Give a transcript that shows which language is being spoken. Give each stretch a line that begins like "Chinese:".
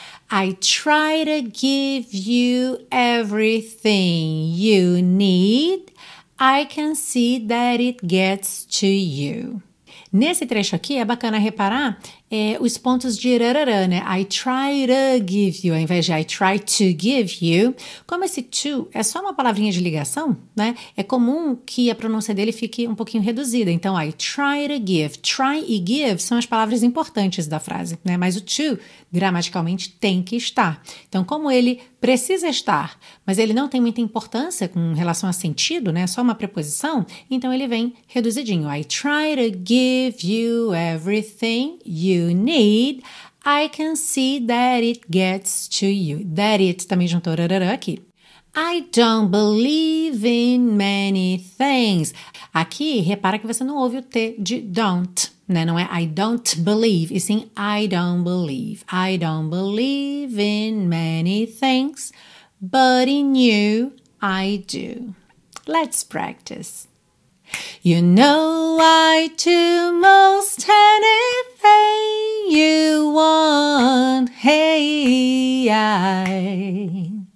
English: I try to give you everything you need. I can see that it gets to you.
Portuguese: Nesse trecho aqui, é bacana reparar os pontos de rarara, né?
English: I try to give you,
Portuguese: ao invés de
English: I try to give you.
Portuguese: Como esse to é só uma palavrinha de ligação, né? É comum que a pronúncia dele fique um pouquinho reduzida. Então,
English: I try to give.
Portuguese: Try e give são as palavras importantes da frase, né? Mas o to, gramaticalmente, tem que estar. Então, como ele precisa estar, mas ele não tem muita importância com relação a sentido, né? Só uma preposição. Então, ele vem reduzidinho.
English: I try to give you everything you need. I can see that it gets to you.
Portuguese: That it também juntou rarara aqui.
English: I don't believe in many things.
Portuguese: Aqui, repara que você não ouve o T de don't, né? Não é
English: I don't believe,
Portuguese: e sim
English: I don't believe. I don't believe in many things, but in you, I do. Let's practice. You know I do most anything you want, hey, I.